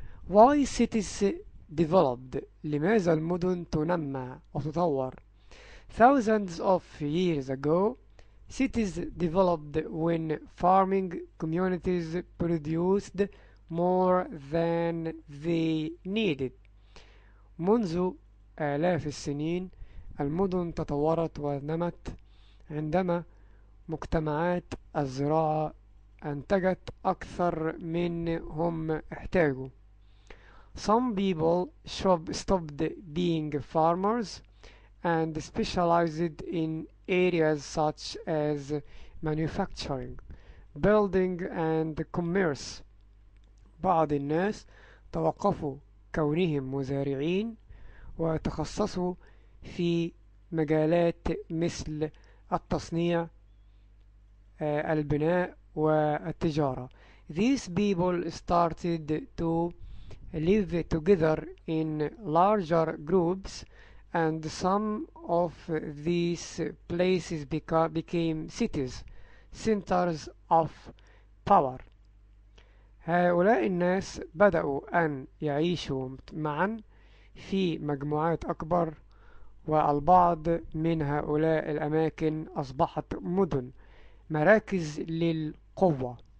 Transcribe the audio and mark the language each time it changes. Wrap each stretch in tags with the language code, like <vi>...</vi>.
<en>Why cities developed؟</en> <ar>لماذا المدن تنمى وتطور؟</ar> <en>Thousands of years ago, cities developed when farming communities produced more than they needed.</en> <ar>منذ آلاف السنين المدن تطورت ونمت عندما مجتمعات الزراعة أنتجت أكثر من هم احتاجوا.</ar> <en>Some people stopped being farmers and specialized in areas such as manufacturing, building and commerce.</en> <ar>بعض الناس توقفوا كونهم مزارعين وتخصصوا في مجالات مثل التصنيع, البناء والتجارة.</ar> <en>These people started to live together in larger groups, and some of these places became cities, centers of power.</en> <ar>هؤلاء الناس بدأوا أن يعيشوا معا في مجموعات أكبر, والبعض من هؤلاء الأماكن أصبحت مدن, مراكز للقوة.</ar>